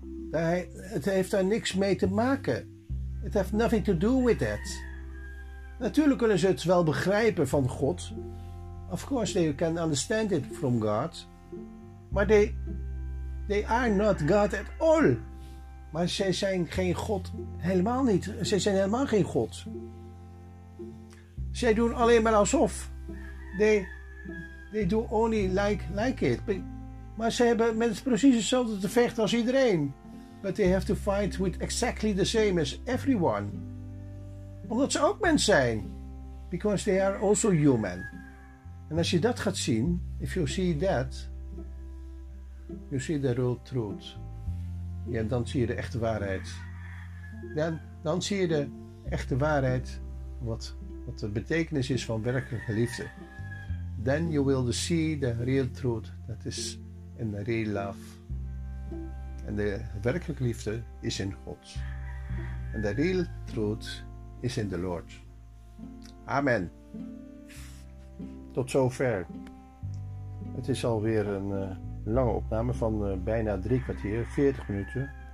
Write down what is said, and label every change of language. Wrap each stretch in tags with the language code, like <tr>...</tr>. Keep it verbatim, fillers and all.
<nl>Hij, het heeft daar niks mee te maken.</nl> <en>It has nothing to do with that.</en> <nl>Natuurlijk kunnen ze het wel begrijpen van God.</nl> <en>Of course they can understand it from God, maar they, they are not God at all.</en> <nl>Maar zij zijn geen God, helemaal niet. Zij zijn helemaal geen God. Zij doen alleen maar alsof.</nl> <en>They, they do only like, like it.</en> <nl>Maar ze hebben met precies hetzelfde te vechten als iedereen.</nl> <en>But they have to fight with exactly the same as everyone.</en> <nl>Omdat ze ook mens zijn.</nl> <en>Because they are also human.</en> <nl>En als je dat gaat zien,</nl> <en>if you see that, you see the real truth.</en> <nl>Ja, dan zie je de echte waarheid. Dan, dan zie je de echte waarheid, wat, wat de betekenis is van werkelijke liefde.</nl> <en>Then you will see the real truth, that is in the real love.</en> <nl>En de werkelijke liefde is in God. En de</nl> <en>real truth is in the Lord.</en> <nl>Amen. Tot zover. Het is alweer een uh, lange opname van uh, bijna drie kwartier, veertig minuten.</nl>